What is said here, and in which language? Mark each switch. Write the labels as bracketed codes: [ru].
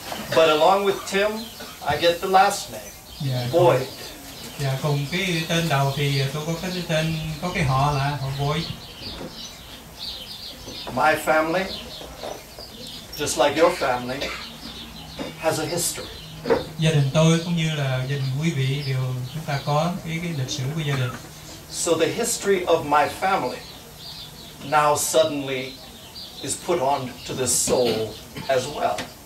[en] But along with Tim, I get the last name, Boyd. [vi] Yeah, cùng cái tên đầu thì tôi có cái tên có cái họ là họ Boyd. [en] My family, just like your family, has a history. [vi] Gia đình tôi cũng như là gia đình quý vị đều chúng ta có cái lịch sử của gia đình. [en] So the history of my family now suddenly is put on to this soul as well.